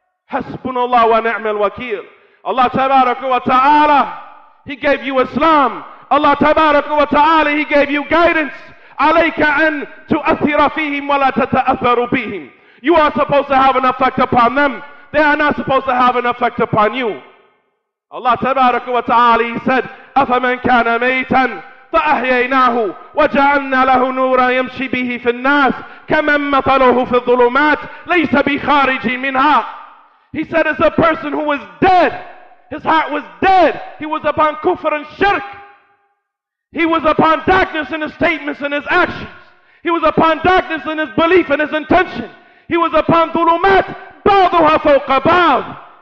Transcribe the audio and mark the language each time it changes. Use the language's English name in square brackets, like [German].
[Arabic] Hasbunallah wa ni'mal wakeel. [English] Allah tabaraka wa ta'ala, he gave you Islam. Allah tabaraka wa ta'ala, he gave you guidance. [Arabic] Alayka an tu'athira fihim wa la tata'atharu bihim. [English] You are supposed to have an effect upon them. They are not supposed to have an effect upon you. [Arabic] Allah tabaraka wa ta'ala, [English] he said, [Arabic] afaman kana maytan فأحييناه وجعلنا له نورا يمشي به في الناس كمن مثله في الظلمات ليس بخارج منها. [English] He said, as a person who was dead, his heart was dead, he was upon kufr and shirk, he was upon darkness in his statements and his actions, he was upon darkness in his belief and his intention, he was upon [Arabic] ظلمات بعضها فوق بعض.